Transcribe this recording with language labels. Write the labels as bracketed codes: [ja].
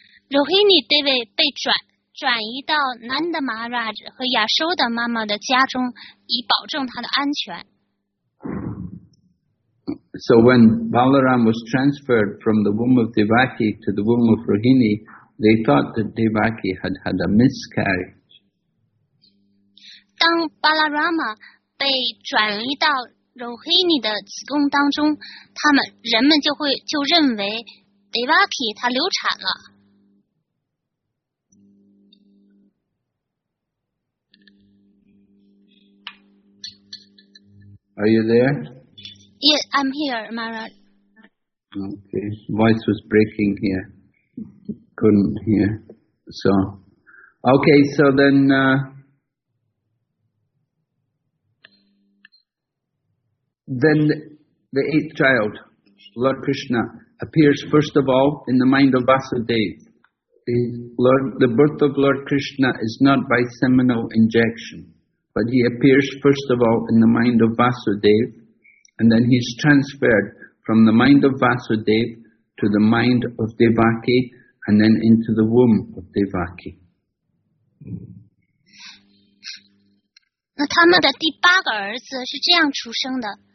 [zh] Rohini 被转移到 Nanda Maharaj 和 Yashoda 妈妈的家中，以保证她的安全。 [en] So when Balaram was transferred from the womb of Devaki to the womb of Rohini, they thought that Devaki had had a miscarriage. [zh] 当巴拉拉玛被转移到柔黑尼的子宫当中，他们人们就会就认为德瓦提他流产了。 [en] Are you there? Yes, I'm here, Mara. Okay, voice was breaking here. Couldn't hear. So, okay, so then, the eighth child, Lord Krishna, appears first of all in the mind of Vasudeva. The birth of Lord Krishna is not by seminal injection. But he appears first of all in the mind of Vasudeva, and then he's transferred from the mind of Vasudeva to the mind of Devaki, and then into the womb of Devaki. [zh] 那他们的第八个儿子是这样出生的。